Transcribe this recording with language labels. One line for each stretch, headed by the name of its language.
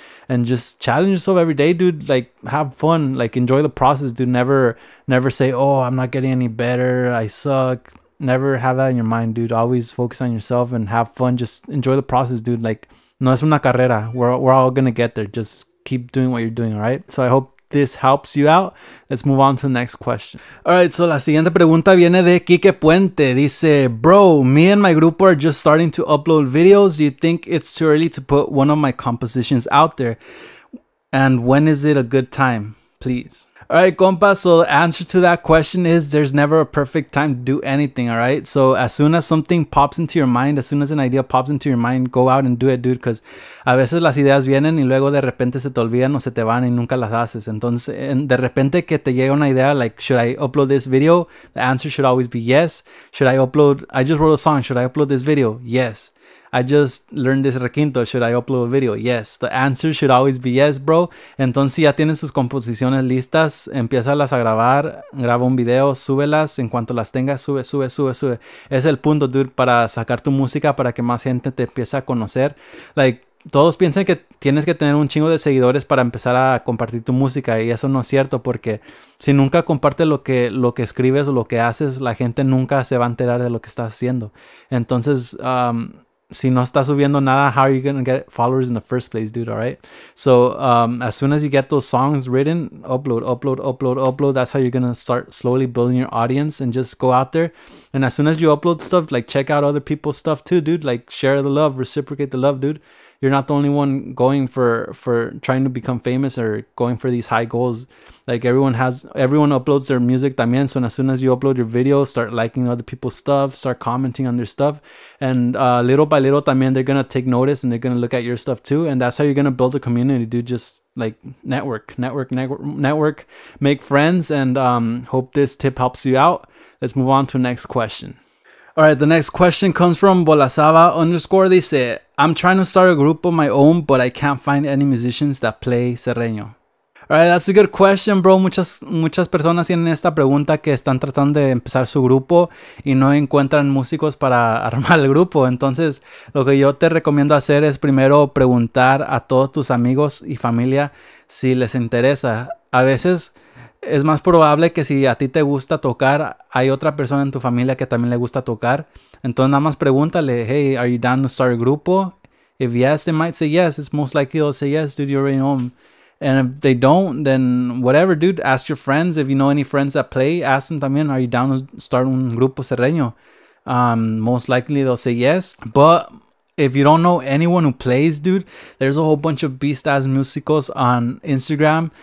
English: And just challenge yourself every day, dude. Like, have fun. Like, enjoy the process, dude. Never say, oh, I'm not getting any better, I suck. Never have that in your mind, dude. Always focus on yourself and have fun. Just enjoy the process, dude. Like,
Spanish: no es una carrera.
English: We're all gonna get there. Just keep doing what you're doing, all right? So I hope this helps you out. Let's move on to the next question. All right, so
Spanish: la siguiente pregunta viene de Quique Puente.
English: Dice, bro, me and my group are just starting to upload videos. Do you think it's too early to put one of my compositions out there? And when is it a good time, please? All right, compa, so the answer to that question is there's never a perfect time to do anything, all right? So as soon as something pops into your mind, as soon as an idea pops into your mind, go out and do it, dude, because
Spanish: a veces las ideas vienen y luego de repente se te olvidan o se te van y nunca las haces. Entonces, de repente que te llega una idea,
English: like, should I upload this video? The answer should always be yes. Should I upload, I just wrote a song, should I upload this video? Yes. I just learned this requinto, should I upload a video? Yes. The answer should always be yes, bro.
Spanish: Entonces, si ya tienes tus composiciones listas, empiézalas a grabar, graba un video, súbelas. En cuanto las tengas, sube. Es el punto, dude, para sacar tu música, para que más gente te empiece a conocer. Like, todos piensan que tienes que tener un chingo de seguidores para empezar a compartir tu música, y eso no es cierto, porque si nunca compartes lo que escribes o lo que haces, la gente nunca se va a enterar de lo que estás haciendo. Entonces, si no estás subiendo nada,
English: how are you going to get followers in the first place, dude, all right? So, as soon as you get those songs written, upload. That's how you're going to start slowly building your audience and just go out there. And as soon as you upload stuff, like, check out other people's stuff too, dude. Like, share the love, reciprocate the love, dude. You're not the only one going for trying to become famous or going for these high goals. Like, everyone uploads their music también. So as soon as you upload your video, start liking other people's stuff, start commenting on their stuff. And little by little también, they're going to take notice and they're going to look at your stuff too. And that's how you're going to build a community, dude. Just, like, network, make friends. And hope this tip helps you out. Let's move on to the next question. All right, the next question comes from Bolasava_. They say, I'm trying to start a group of my own, but I can't find any musicians that play serreño. All right, that's a good question, bro.
Spanish: Muchas personas tienen esta pregunta, que están tratando de empezar su grupo y no encuentran músicos para armar el grupo. Entonces, lo que yo te recomiendo hacer es primero preguntar a todos tus amigos y familia si les interesa. A veces es más probable que si a ti te gusta tocar, hay otra persona en tu familia que también le gusta tocar. Entonces nada más pregúntale,
English: hey, are you down to start a grupo? If yes, they might say yes. It's most likely they'll say yes, dude, you already know. And if they don't, then whatever, dude, ask your friends. If you know any friends that play, ask them también, are you down to start un grupo serreño? Most likely they'll say yes. But if you don't know anyone who plays, dude, there's a whole bunch of beast-ass musicos on Instagram.